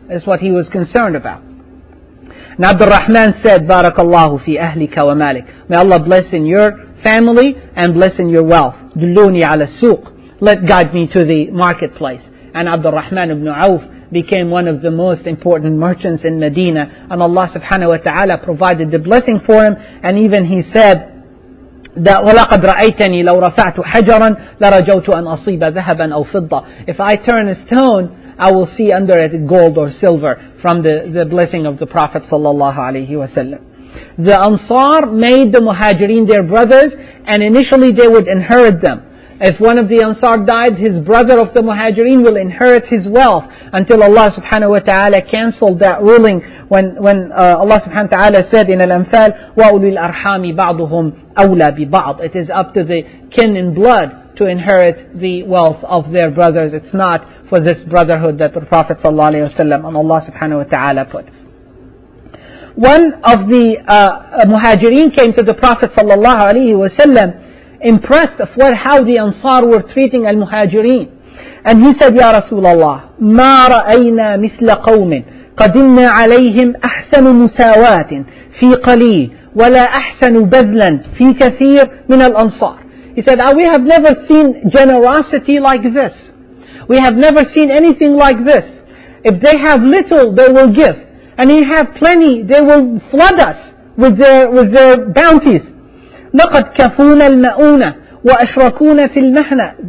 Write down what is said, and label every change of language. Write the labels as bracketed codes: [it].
[en] That's what he was concerned about. And Abdul Rahman said, [ar] "Barakallahu fi ahlika wa malik. [en] May Allah bless in your family and bless in your wealth. [ar] Dulluni ala suq. [en] Let guide me to the marketplace." And Abdul Rahman ibn Auf became one of the most important merchants in Medina. And Allah subhanahu wa ta'ala provided the blessing for him. And even he said that, [ar] وَلَقَدْ رَأَيْتَنِي لَوْ رَفَعْتُ حَجَرًا لَرَجَوْتُ أَنْ أَصِيبَ ذَهَبًا أَوْ فِضَّةً. [en] If I turn a stone, I will see under it gold or silver from the blessing of the Prophet sallallahu alayhi wa sallam. The Ansar made the Muhajirin their brothers, and initially they would inherit them. If one of the Ansar died, his brother of the Muhajirin will inherit his wealth, until Allah subhanahu wa ta'ala cancelled that ruling when Allah subhanahu wa ta'ala said in Al-Anfal, [ar] وَأُولِي الْأَرْحَامِ بَعْضُهُمْ أَوْلَى بِبَعْضٍ. [en] It is up to the kin in blood to inherit the wealth of their brothers. It's not for this brotherhood that the Prophet sallallahu alayhi wa sallam and Allah subhanahu wa ta'ala put. One of the Muhajirin came to the Prophet sallallahu alayhi wa sallam impressed of how the Ansar were treating al-Muhajirin. And he said, [ar] "Ya Rasulullah, مَا رَأَيْنَا مِثْلَ قَوْمٍ قَدِمْنَا عَلَيْهِمْ أَحْسَنُ مُسَاوَاتٍ فِي قَلِيلٍ وَلَا أَحْسَنُ بَذْلًا فِي كَثِيرٍ مِنَ الْأَنصَارِ." [en] He said, "We have never seen generosity like this. We have never seen anything like this. If they have little, they will give. And if they have plenty, they will flood us with their bounties. [ar] لَقَدْ كَفُونَ الْمَأُونَ وَأَشْرَكُونَ فِي الْمَحْنَةِ."